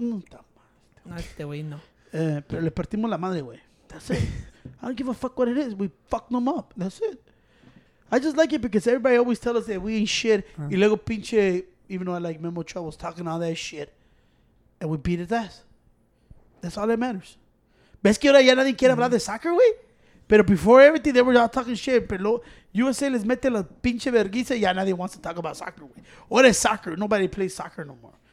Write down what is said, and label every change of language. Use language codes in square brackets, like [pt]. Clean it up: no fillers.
[es] No, este wey no. Pero le partimos la madre, wey. [en] That's it. I don't give a fuck what it is. We fucked them up. That's it. I just like it because everybody always tells us that we ain't shit. Y luego pinche, even though I like Memo Chavo, was talking all that shit. And we beat his ass. That's all that matters. [es] ¿Ves que ahora ya nadie quiere hablar de soccer, güey? Pero before everything, they were all talking shit. Pero USA les mete la pinche vergüenza. [en] Ya nadie wants to talk about soccer, güey. What is soccer? Nobody plays soccer no more.